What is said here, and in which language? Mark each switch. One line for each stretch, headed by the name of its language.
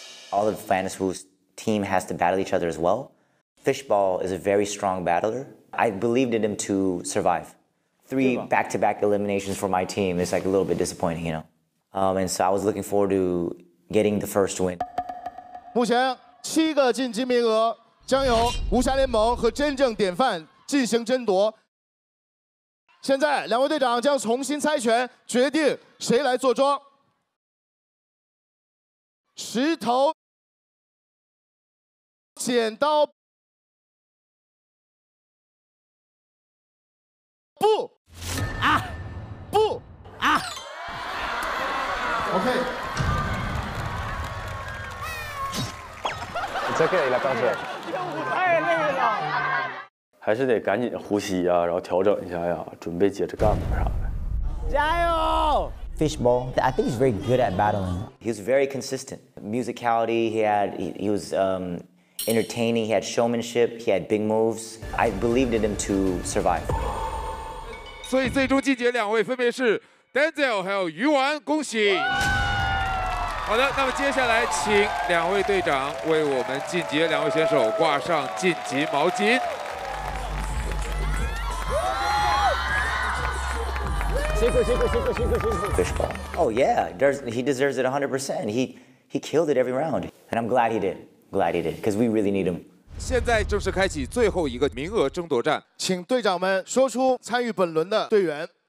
English: All of Fantasy Wu's team has to battle each other as well. Fishball is a very strong battler. I believed in him to survive. Three back-to-back eliminations for my team is like a little bit disappointing, you know. And so I was looking forward to getting the first win.
Chinese: 目前七个晋级名额将由无暇联盟和真正典范进行争夺。现在两位队长将重新猜拳，决定谁来坐庄。石头剪刀布啊布啊 OK
English: It's OK
Chinese: 来当时我太累了还是得赶紧呼吸啊然后调整一下呀准备接着干吧啥的加油
English: Fishbowl, I think he's very good at battling. He was very consistent. Musicality, he was entertaining, he had showmanship, he had big moves. I believed in him to survive. So, the final round, the two of them are Denzel and Yu Wan. Congrats! Okay, so next, please ask the two captains for our entry. The two fighters, hang on the entry towel. Fishball. Oh yeah, he deserves it 100%. He killed it every round, and I'm glad he did. Glad he did, because we really need him.
Chinese: 现在正式开启最后一个名额争夺战，请队长们说出参与本轮的队员。